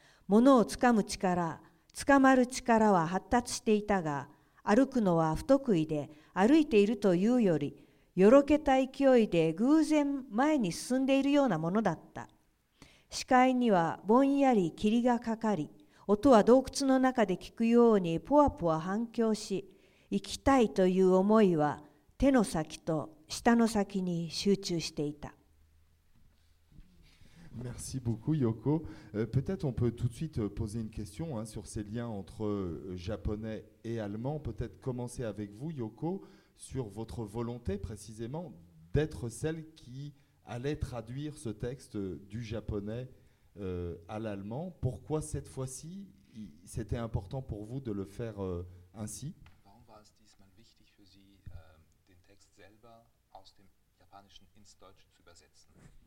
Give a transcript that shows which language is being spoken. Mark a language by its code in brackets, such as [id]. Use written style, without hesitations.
[ja] 物をつかむ力、つかまる力は発達していたが、歩くのは不得意で、歩いているというよりよろけた勢いで偶然前に進んでいるようなものだった。視界にはぼんやり霧がかかり、音は洞窟の中で聞くようにポワポワ反響し、行きたいという思いは手の先と舌の先に集中していた。 [fr] Merci beaucoup, Yoko. Peut-être on peut tout de suite poser une question hein, sur ces liens entre japonais et allemand. Peut-être commencer avec vous, Yoko, sur votre volonté précisément d'être celle qui allait traduire ce texte du japonais à l'allemand. Pourquoi cette fois-ci, c'était important pour vous de le faire ainsi ? [de] Warum war es diesmal wichtig für Sie, den Text selber aus dem Japanischen ins Deutsche zu übersetzen ?